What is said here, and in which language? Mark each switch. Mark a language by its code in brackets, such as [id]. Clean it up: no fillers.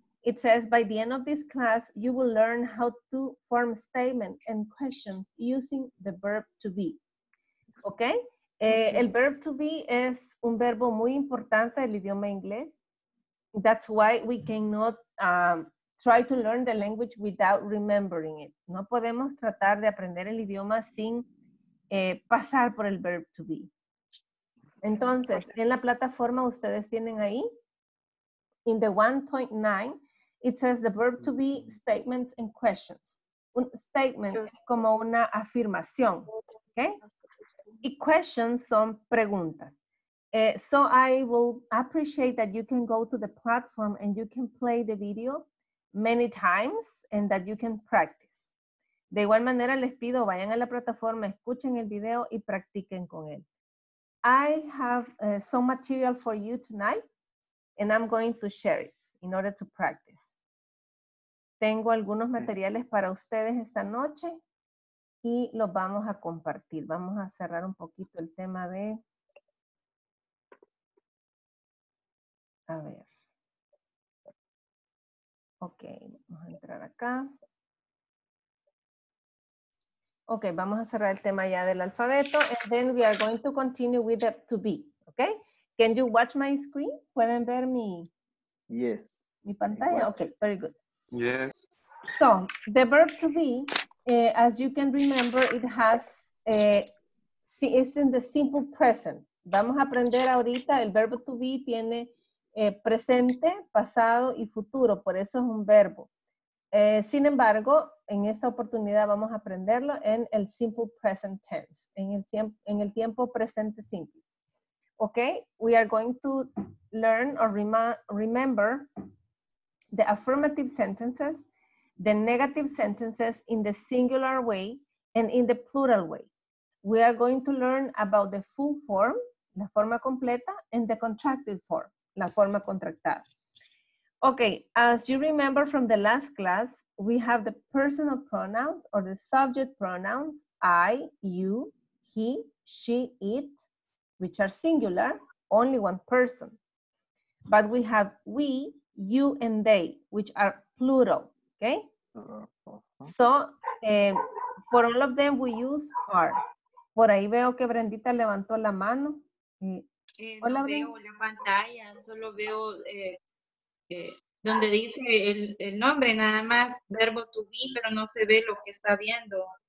[en] It says, by the end of this class, you will learn how to form statement and questions using the verb to be. Okay? Okay. [es] El verb to be es un verbo muy importante del idioma inglés. [en] That's why we cannot try to learn the language without remembering it. [es] No podemos tratar de aprender el idioma sin pasar por el verb to be. Entonces, en la plataforma ustedes tienen ahí, [en] in the 1.9, it says the verb to be, statements and questions. [es] Un statement es como una afirmación, okay? Y questions son preguntas. [en] So I will appreciate that you can go to the platform and you can play the video many times and that you can practice. [es] De igual manera les pido, vayan a la plataforma, escuchen el video y practiquen con él. [en] I have some material for you tonight and I'm going to share it in order to practice. [es] Tengo algunos materiales para ustedes esta noche y los vamos a compartir. Vamos a cerrar un poquito el tema de... A ver. Ok, vamos a entrar acá. Ok, vamos a cerrar el tema ya del alfabeto. [en] And then we are going to continue with the to be. Ok, can you watch my screen? [es] ¿Pueden ver mi... [en] Yes. [es] ¿Mi pantalla? [en] Ok, very good. Yes. So, the verb to be, as you can remember, it has, it's in the simple present. [es] Vamos a aprender ahorita, el verbo to be tiene presente, pasado y futuro, por eso es un verbo. Sin embargo, en esta oportunidad vamos a aprenderlo en el [en] simple present tense, [es] en el tiempo presente simple. [en] Okay, we are going to learn or remember the affirmative sentences, the negative sentences in the singular way and in the plural way. We are going to learn about the full form, [es] la forma completa, [en] and the contracted form, [es] la forma contractada. [en] Okay, as you remember from the last class, we have the personal pronouns or the subject pronouns, I, you, he, she, it, which are singular, only one person. But we have we, you, and they, which are plural, okay? So, for all of them, we use are. [es] Por ahí veo que Brendita levantó la mano. Hola, no veo la pantalla, solo veo donde dice el nombre, nada más, verbo to be, pero no se ve lo que está viendo.